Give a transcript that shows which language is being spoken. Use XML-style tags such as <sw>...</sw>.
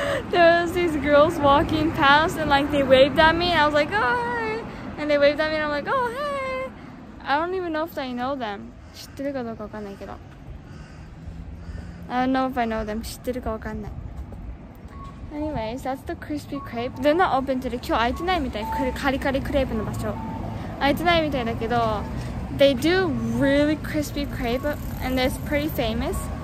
<en>There was these girls walking past and like they waved at me and I was like, oh, hey. And they waved at me and I'm like, oh, hey. I don't even know if I know them.</en> <ja>知ってるかどうかわかんないけど。</ja> <en>I don't know if I know them.</en> <ja>知ってるかわかんない。</ja> <en>Anyways, that's the crispy crepe. They're not open today.</en> <ja>今日開いてないみたい。カリカリクレープの場所。開いてないみたいだけど。</ja> <en>They do really crispy crepe, and it's pretty famous.</en>